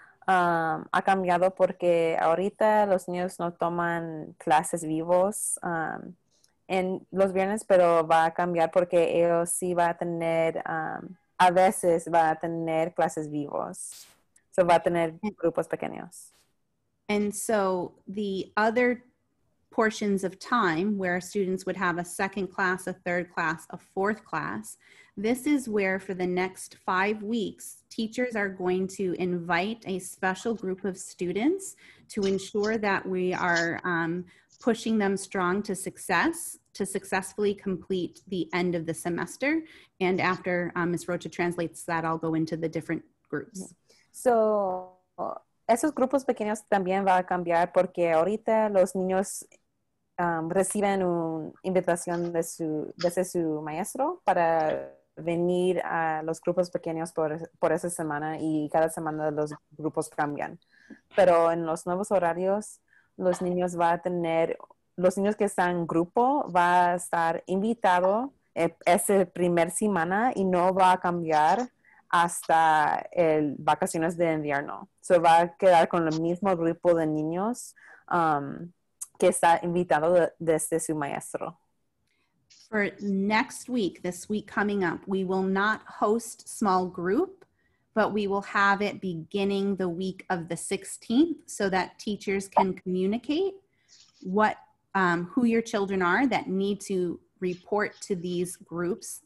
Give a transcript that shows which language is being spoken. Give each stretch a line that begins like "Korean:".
Spanish: Ha cambiado porque ahorita los niños no toman clases vivos en los viernes, pero va a cambiar porque ellos sí va a tener, a veces va a tener clases vivos. So, va a tener grupos pequeños.
English: And so, the other portions of time where students would have a second class, a third class, a fourth class. This is where for the next 5 weeks, teachers are going to invite a special group of students to ensure that we are pushing them strong to success, to successfully complete the end of the semester. And after Ms. Rocha translates that, I'll go into the different groups.
Spanish: So esos grupos pequeños también va a cambiar porque ahorita los niños reciben una invitación de su maestro para venir a los grupos pequeños por esa semana, y cada semana los grupos cambian. Pero en los nuevos horarios, los niños que están en grupo va a estar invitado esa primer semana y no va a cambiar hasta el vacaciones de invierno. So va a quedar con el mismo grupo de niños que está invitado desde su maestro.
English: For next week, this week coming up, we will not host small group, but we will have it beginning the week of the 16th so that teachers can communicate who your children are that need to report to these groups.